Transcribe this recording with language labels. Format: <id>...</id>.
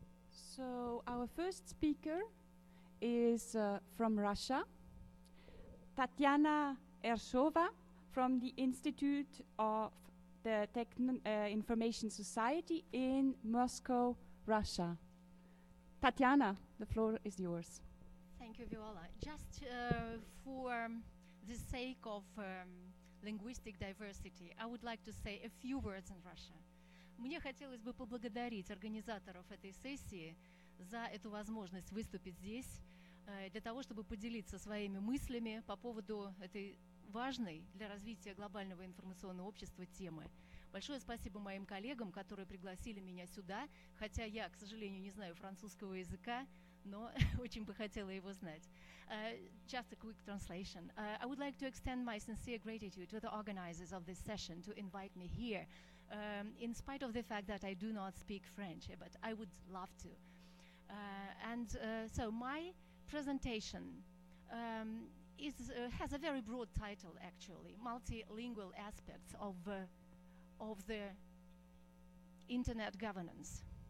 <en>So our first speaker is from Russia, Tatiana Ershova from the Institute of the Information Society in Moscow, Russia. Tatiana, the floor is yours. Thank you, Viola. Just for the sake of linguistic diversity, I would like to say a few words in Russian.</en> <ru>Мне хотелось бы поблагодарить организаторов этой сессии за эту возможность выступить здесь для того, чтобы поделиться своими мыслями по поводу этой важной для развития глобального информационного общества темы. Большое спасибо моим коллегам, которые пригласили меня сюда, хотя я, к сожалению, не знаю французского языка, но очень бы хотела его знать.</ru> <en>Just a quick translation. I would like to extend my sincere gratitude to the organizers of this session to invite me here, in spite of the fact that I do not speak French, but I would love to. And so my presentation has a very broad title, actually, Multilingual Aspects of the Internet Governance.</en>